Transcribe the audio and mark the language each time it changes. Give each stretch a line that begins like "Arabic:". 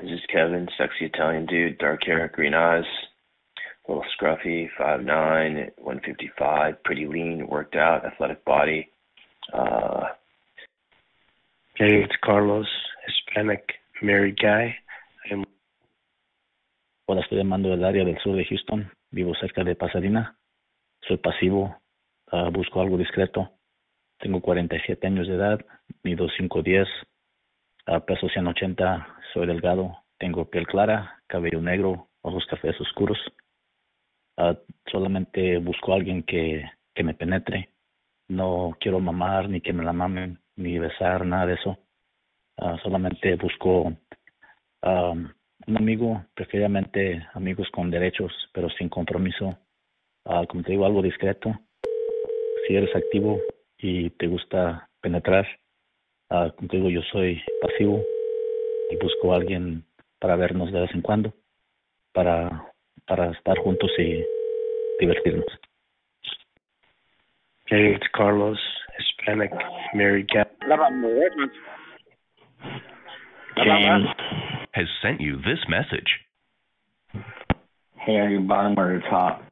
English: This is Kevin, sexy Italian dude, dark hair, green eyes. A little scruffy, 5'9", 155, pretty lean, worked out, athletic body. Hey, it's Carlos, Hispanic, married guy.
Spanish: Hola, estoy llamando del área del sur de Houston. Vivo cerca de Pasadena. Soy pasivo. Busco algo discreto. Tengo 47 años de edad. Mido 5'10". Peso 180. Soy delgado. Tengo piel clara, cabello negro, ojos cafés oscuros. Solamente busco a alguien que me penetre. No quiero mamar, ni que me la mamen, ni besar, nada de eso. Solamente busco un amigo, preferiblemente amigos con derechos, pero sin compromiso. Como te digo, algo discreto. Si eres activo y te gusta penetrar, como te digo, yo soy pasivo y busco a alguien para vernos de vez en cuando, para estar juntos y divertirnos.
English: Hey, it's Carlos, Hispanic, married guy. James has sent you this message. Hey, are you bottom or top?